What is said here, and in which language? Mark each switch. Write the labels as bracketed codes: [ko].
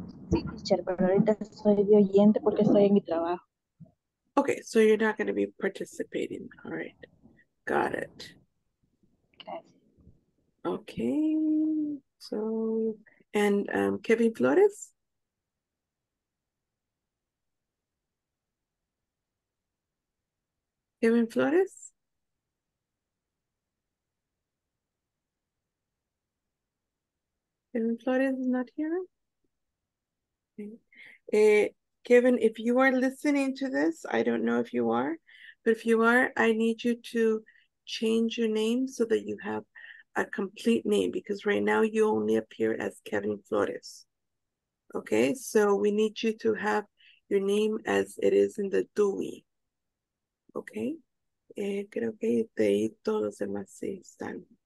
[es] Sí, teacher, pero ahorita soy de oyente porque estoy en mi trabajo. [en] Okay, so you're not going to be participating. All right, got it. [es] Gracias. [en] Okay, so, and Kevin Flores? Kevin Flores? Kevin Flores is not here. Okay. Kevin, if you are listening to this, I don't know if you are, but if you are, I need you to change your name so that you have a complete name, because right now you only appear as Kevin Flores. Okay, so we need you to have your name as it is in the DUI. [es] Okay, creo que de ahí todos los demás sí están.